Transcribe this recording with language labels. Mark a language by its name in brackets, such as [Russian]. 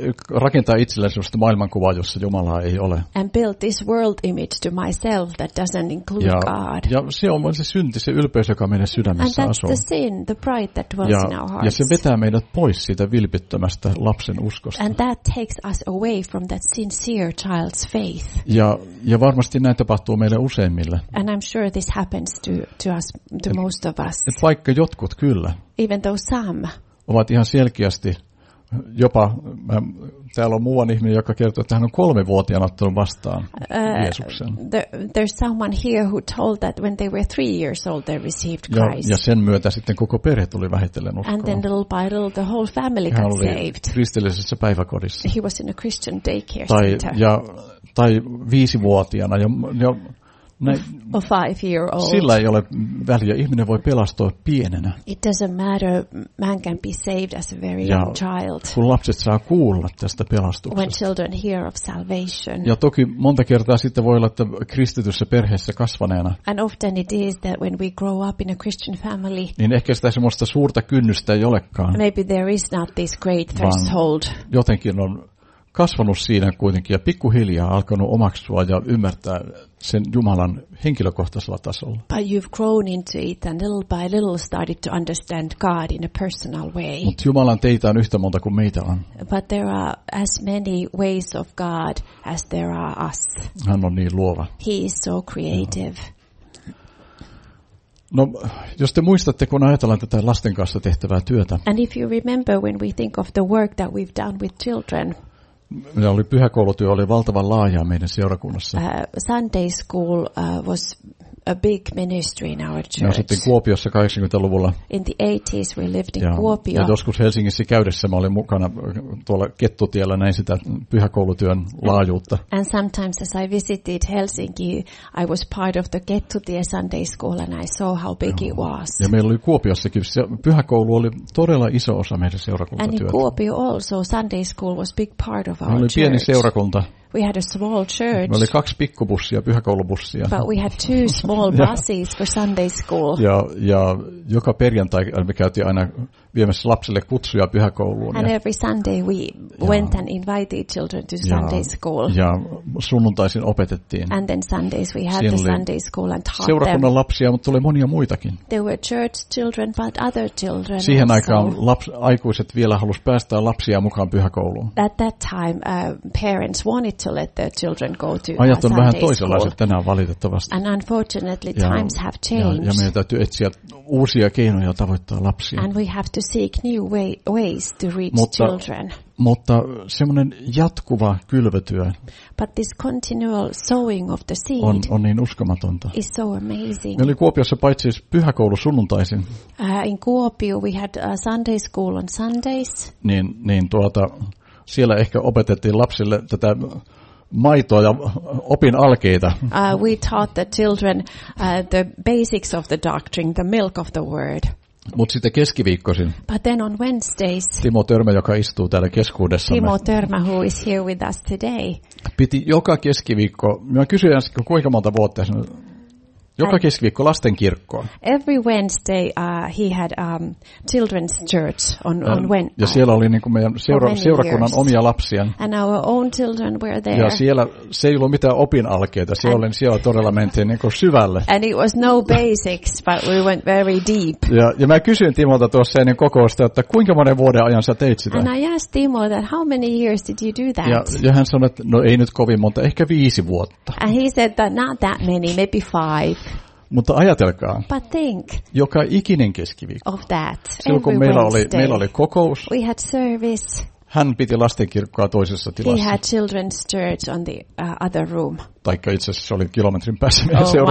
[Finnish] Rakentaa itselleen sellaista maailmankuvaa, jossa Jumalaa ei ole. [English] And built this world image to myself that doesn't include God. [Finnish] Ja se on se synti, se ylpeys, joka meidän sydämessä asuu. [English] And that's the sin, the pride that dwells in our hearts. [Finnish] Ja se vetää meidät pois siitä vilpittömästä lapsen uskosta. [English] And that takes us away from that sincere child's faith. [Finnish] Ja varmasti näin tapahtuu meille useimmille. [English] And I'm sure this happens to most of us. [Finnish] Et vaikka jotkut kyllä. [English] Even though some. [Finnish] Ovat ihan selkeästi, jopa täällä on muuan ihminen, joka kertoo, että hän on 3-vuotiaana ottanut vastaan Jeesuksen. [English] There's someone here who told that when they were 3 years old they received Christ. [Finnish] Ja sen myötä sitten koko perhe tuli vähitellen uskoon. [English] And then little by little the whole family got saved. [Finnish] Hän oli kristillisessä päiväkodissa. [English] He was in a Christian daycare center. [Finnish] Tai 5-vuotiaana jo. [English] A 5-year-old. [Finnish] Sillä ei ole väliä. Ihminen voi pelastua pienenä. [English] It doesn't matter. Man can be saved as a very young child. [Finnish] Kun lapset saa kuulla tästä pelastuksesta. [English] When children hear of salvation. [Finnish] Ja toki monta kertaa sitten voi olla, että kristityssä perheessä kasvaneena. [English] And often it is that when we grow up in a Christian family. [Finnish] Niin ehkä sitä semmoista suurta kynnystä ei olekaan. [English] Maybe there is not this great threshold. [Finnish] Jotenkin on kasvanut siinä kuitenkin ja pikkuhiljaa alkanut omaksua ja ymmärtää sen Jumalan henkilökohtaisella tasolla. [English] But you've grown into it and little by little started to understand God in a personal way. [Finnish] Mutta Jumalan teitä on yhtä monta kuin meitä on. [English] But there are as many ways of God as there are us. [Finnish] Hän on niin luova. [English] He is so creative. [Finnish] No, jos te muistatte, kun ajatellaan tätä lasten kanssa tehtävää työtä. [English] And if you remember when we think of the work that we've done with children. [Finnish] Meillä oli pyhäkoulutyö, oli valtavan laajaa meidän seurakunnassa. [English] Sunday school was a big ministry in our church. [Finnish] Me asuttiin Kuopiossa 80-luvulla. [English] In the 80s we lived in Kuopio. [Finnish] Ja joskus Helsingissä käydessä mä olin mukana tuolla Kettutiellä, näin sitä pyhäkoulutyön laajuutta. [English] And sometimes as I visited Helsinki, I was part of the Kettutie Sunday school and I saw how big it was. [Finnish] Ja meillä oli Kuopiossakin, se pyhäkoulu oli todella iso osa meidän seurakuntatyötä. [English] And in Kuopio also, Sunday school was big part of our church. [Finnish] Meillä oli pieni seurakunta. [English] We had a small church. [Finnish] Meillä oli kaksi pikkubussia, pyhäkoulubussia. [English] But we had two small buses for Sunday school. [Finnish] Ja joka perjantai me käytiin aina viemässä lapsille kutsuja pyhäkouluun. [English] And every Sunday we went and invited children to Sunday school. [Finnish] Ja sunnuntaisin opetettiin. [English] And then Sundays we had the Sunday school and taught them. [Finnish] Seurakunnan lapsia, mutta tuli monia muitakin. [English] There were church children, but other children. [Finnish] Siihen aikaan aikuiset vielä halusi päästää lapsia mukaan pyhäkouluun. [English] At that time, parents wanted to let their children go to Sunday school. [Finnish] Ajat vähän toisenlaiset tänään valitettavasti. [English] And unfortunately, times have changed. [Finnish] Ja meidän täytyy etsiä uusia keinoja tavoittaa lapsia. [English] And we have to seek new ways to reach children. [Finnish] Mutta semmoinen jatkuva kylvötyö. [English] But this continual sowing of the seed [Finnish] on niin uskomatonta. [English] Is so amazing. [Finnish] Me oli Kuopiossa paitsi pyhäkoulu sunnuntaisin. [English] In Kuopio we had a Sunday school on Sundays. [Finnish] Niin tuota siellä ehkä opetettiin lapsille tätä maitoa ja opin alkeita. [English] We taught the children the basics of the doctrine, the milk of the word. [Finnish] Mut sitten keskiviikkoisin. [English] But then on Wednesdays. [Finnish] Timo Törmä, joka istuu täällä keskuudessamme. [English] Timo Törmä, who is here with us today. [Finnish] Piti joka keskiviikko. Minä kysyin äsken, kuinka monta vuotta sen. Joka keskiviikko lasten kirkko. [English] Every Wednesday he had children's church on Wednesday. [Finnish] Ja siellä oli niin kuin meidän seurakunnan omia lapsia. [English] And our own children were there. [Finnish] Ja siellä se ei ollut mitään opin alkeita. Siellä todella mentiin niin kuin syvälle. [English] And it was no basics, but we went very deep. [Finnish] Ja mä kysyin Timolta tuossa ennen kokousta, että kuinka monen vuoden ajan sä teit sitä. [English] And I asked Timo that how many years did you do that? [Finnish] Ja hän sanoi, että no ei nyt kovin monta, ehkä 5 vuotta. [English] And he said that not that many, maybe 5. [Finnish] Mutta ajatelkaa, joka ikinen keskiviikko, silloin kun meillä oli kokous, [English] we had service, [Finnish] hän piti lastenkirkkoa toisessa tilassa. [English] He had children's church on the other room. [Finnish] Taikka itse asiassa se oli kilometrin päässä meidän